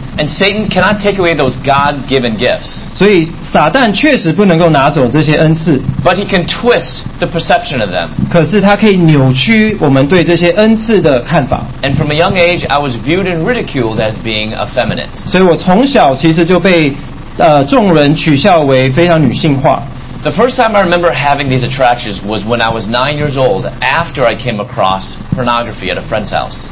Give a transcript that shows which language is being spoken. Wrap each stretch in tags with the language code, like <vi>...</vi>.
<en>And Satan cannot take away those God-given gifts.</en> <zh>所以撒旦确实不能够拿走这些恩赐。</zh> <en>But he can twist the perception of them.</en> <zh>可是他可以扭曲我们对这些恩赐的看法。</zh> <en>And from a young age, I was viewed and ridiculed as being effeminate.</en> <zh>所以我从小其实就被众人取笑为非常女性化。</zh> <en>The first time I remember having these attractions was when I was 9 years old, after I came across pornography at a friend's house.</en>